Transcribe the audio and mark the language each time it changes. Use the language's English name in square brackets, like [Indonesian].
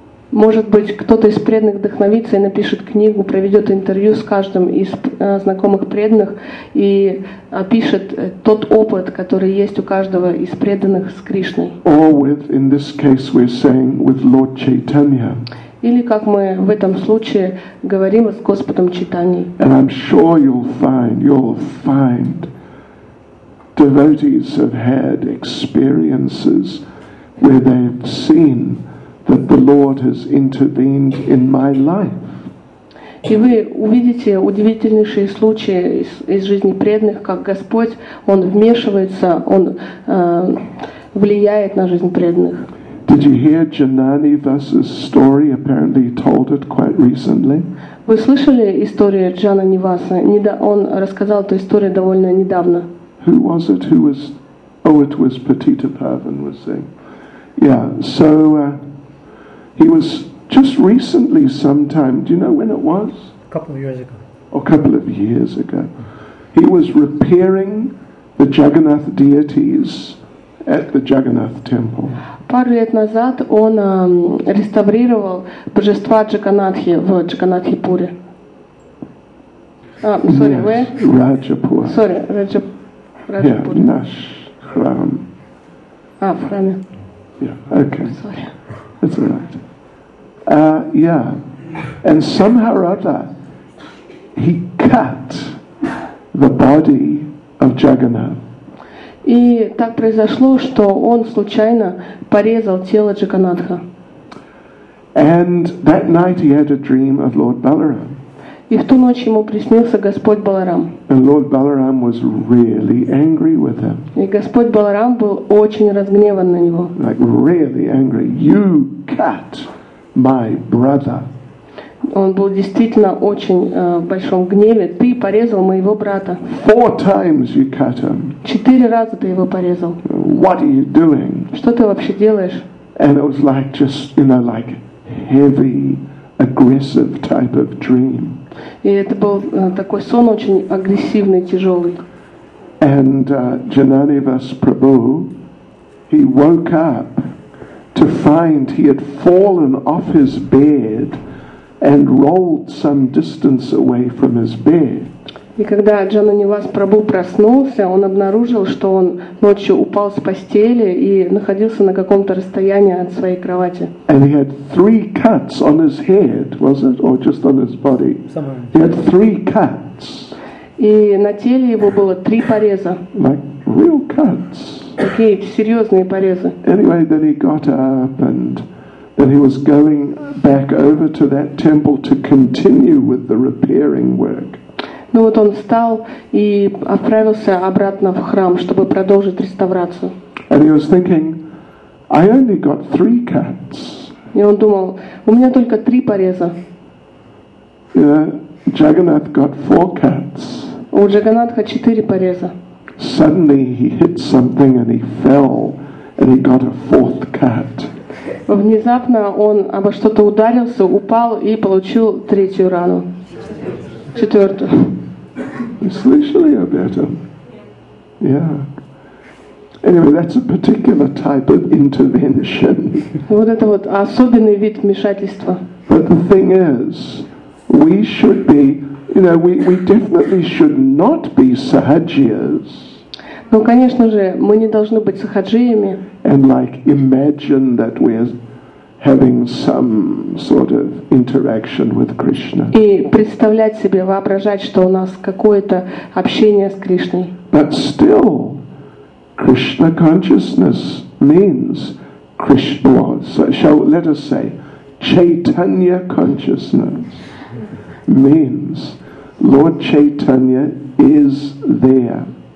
[Russian] Может быть, кто-то из преданных вдохновится и напишет книгу, проведет интервью с каждым из знакомых преданных и опишет тот опыт, который есть у каждого из преданных с Кришной. [English] Or with, in this case, we're saying with Lord Chaitanya. [Russian] Или как мы в этом случае говорим с Господом Чайтаньей. [English] And I'm sure you'll find devotees have had experiences where they've seen that the Lord has intervened in my life. [Russian] И вы увидите удивительнейшие случаи из жизни преданных, как Господь, Он вмешивается, Он влияет на жизнь преданных. [English] Did you hear Janani Vasa's story? Apparently he told it quite recently. [Russian] Вы слышали историю Джанани Васа? Он рассказал эту историю довольно недавно. [English] Who was it? Who was? Oh, it was Patita Pavan was saying. Yeah, so he was just recently sometime, do you know when it was? A couple of years ago. A couple of years ago. He was repairing the Jagannath deities at the Jagannath temple. [Russian] Пару лет назад он реставрировал божества Джаганатхи в Джаганатхи-пуре. [English] Sorry, yes, where? [Russian] Раджапур. [English] Sorry, [Russian] Раджапур. хорошо [English] yeah, [Russian] будет. Наш храм. А, в храме. [English] Yeah, okay. Sorry. It's all right. Yeah. And somehow or other, he cut the body of Jagannath. [Russian] И так произошло, что он случайно порезал тело Джаганатха. [English] And that night he had a dream of Lord Balaram. [Russian] И в ту ночь ему приснился Господь Баларам. [English] And Lord Balaram was really angry with him. [Russian] И Господь Баларам был очень разгневан на него. [English] Like really angry. You cut my brother. [Russian] Он был действительно очень в большом гневе. Ты порезал моего брата. [English] Four times you cut him. [Russian] Четыре раза ты его порезал. [English] What are you doing? [Russian] Что ты вообще делаешь? [English] And it was like just, you know, like heavy, aggressive type of dream. [Russian] И это был такой сон очень агрессивный, тяжелый. [English] And Jnanivas Prabhu, he woke up to find he had fallen off his bed and rolled some distance away from his bed. [Russian] И когда Джананивас Прабху проснулся, он обнаружил, что он ночью упал с постели и находился на каком-то расстоянии от своей кровати. [English] And he had three cuts on his head, was it, or just on his body? Somewhere. He had three cuts. [Russian] И на теле его было три пореза. [English] Like real cuts. [Russian] Такие серьезные порезы. [English] Anyway, then he got up and then he was going back over to that temple to continue with the repairing work. [Russian] Ну вот он встал и отправился обратно в храм, чтобы продолжить реставрацию. [English] And he was thinking, I only got three cuts. [Russian] И он думал, у меня только три пореза. [English] Yeah, Jagannath got four cuts. [Russian] У Джаганатха четыре пореза. [English] Suddenly he hit something and he fell and he got a fourth cut. [Russian] Внезапно он обо что-то ударился, упал и получил третью рану. Вы слышали об этом? [English] Yeah. Anyway, that's a particular type of intervention. [Russian] Вот это вот особенный вид вмешательства. [English] But the thing is, we should be, you know, we definitely should not be sahajiyas. [Russian] Ну, конечно же, мы не должны быть сахаджиями. [English] And like imagine that we're having some sort of interaction with Krishna. [Russian] И представлять себе, воображать, что у нас какое-то общение с Кришной. [English] But still, Krishna consciousness means Krishna. So let us say, Chaitanya consciousness means Lord Chaitanya is there.